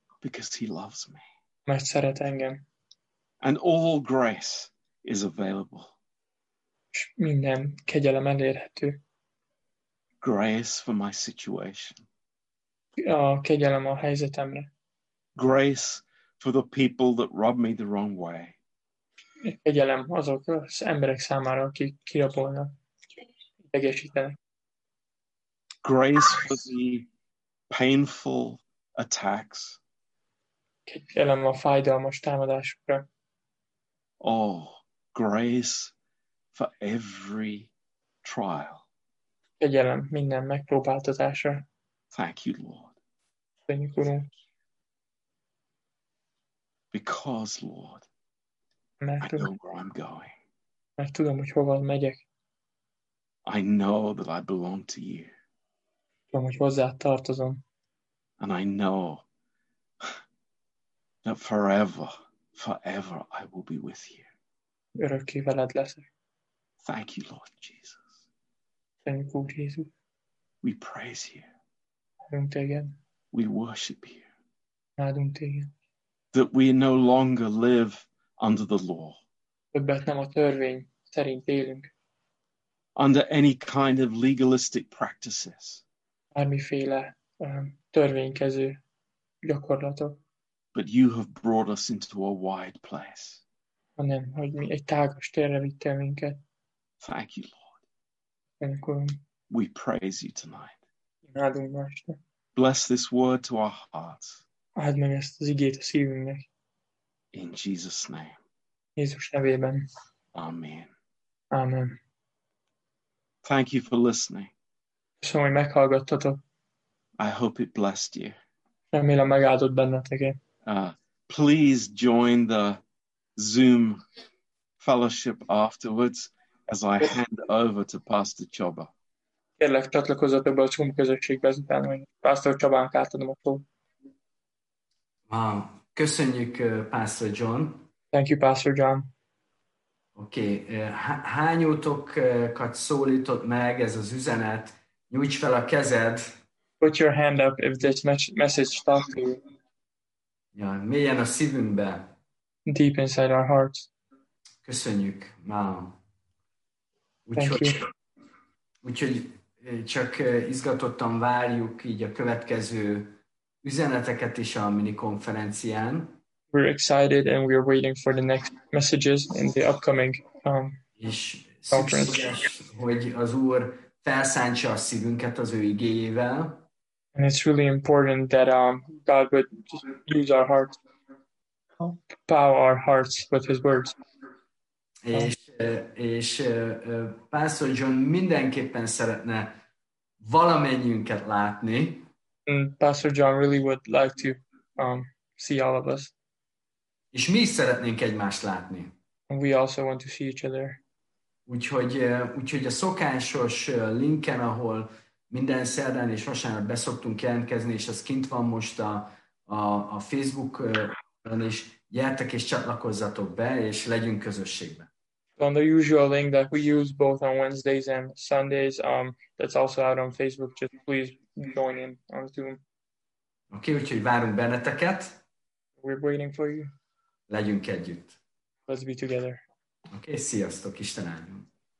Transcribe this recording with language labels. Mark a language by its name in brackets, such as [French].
[English] Because he loves me. [Hungarian] Mert szeret engem. [English] And all grace is available. [Hungarian] És minden kegyelem elérhető. [English] Grace for my situation. [Hungarian] A kegyelem a helyzetemre. [English] Grace for the people that rub me the wrong way. [Hungarian] Kegyelem azok az emberek számára, akik kirabolnak, idegesítenek. [English] Grace for the painful attacks. [Hungarian] Kegyelem a fájdalmas támadásokra. [English] Oh, grace for every trial. [Hungarian] Kegyelem minden megpróbáltatásra. [English] Thank you, Lord. [Hungarian] Köszönjük, Urunk. [English] Because, Lord, [Hungarian] mert [English] I know where I'm going. [Hungarian] Mert tudom, hogy hova megyek. [English] I know that I belong to you. [Hungarian] Tudom, hogy hozzá tartozom. [English] And I know that forever, forever I will be with you. [Hungarian] Örökké veled leszek. [English] Thank you, Lord Jesus. Thank you, Lord Jesus. We praise you. [Hungarian] Áldunk téged. [English] We worship you. [Hungarian] Áldunk téged. [English] That we no longer live under the law. [Hungarian] Többet nem a törvény szerint élünk. [English] Under any kind of legalistic practices. [Hungarian] Bármiféle törvénykező gyakorlatok. [English] But you have brought us into a wide place. [Hungarian] Hanem, hogy mi egy tágas térre vittél minket. [English] Thank you, Lord. Thank you. We praise you tonight. [Hungarian] Imádunk ma este. [English] Bless this word to our hearts. [Hungarian] Add meg ezt az igét a szívünknek. [English] In Jesus' name. [Hungarian] Jézus nevében. [English] Amen. [Hungarian] Amen. [English] Thank you for listening. [Hungarian] Köszönöm, hogy meghallgattatok. [English] I hope it blessed you. [Hungarian] Remélem, megáldott benneteket. [English] Please join the Zoom fellowship afterwards as I hand over to Pastor Csaba. [Hungarian] Kérlek, csatlakozzatok ebbe a Zoom közösségbe, ezután, hogy Pastor Csabának átadom a szót. Köszönjük, Pastor John. [English] Thank you, Pastor John. [Hungarian] Oké, hányótokat szólított meg ez az üzenet? Nyújts fel a kezed. [English] Put your hand up if this message talked to you. [Hungarian] Ja, mélyen a szívünkbe. [English] Deep inside our hearts. [Hungarian] Köszönjük, Mom. Úgyhogy csak izgatottan várjuk így a következő üzeneteket is a mini konferencián. [English] We're excited and we're waiting for the next messages in the upcoming conference. [Hungarian] Szükséges, hogy az Úr felszántsa a szívünket az ő igéjével. [English] And it's really important that God would use our hearts, power our hearts with his words. [Hungarian] És Pastor John mindenképpen szeretne valamennyünket látni. [English] And Pastor John really would like to see all of us. [Hungarian] És mi is szeretnénk egymást látni. [English] And we also want to see each other. [Hungarian] Úgyhogy a szokásos linken, ahol minden szerdán és vasárnap beszoktunk jelentkezni, és az kint van most a Facebookon is, gyertek és csatlakozzatok be, és legyünk közösségben. [English] On the usual link that we use both on Wednesdays and Sundays, that's also out on Facebook, just please join in on Zoom. [Hungarian] Okay, úgyhogy várunk benneteket. [English] We're waiting for you. [Hungarian] Legyünk együtt. [English] Let's be together. [Hungarian] Okay, sziasztok, Isten áldjon.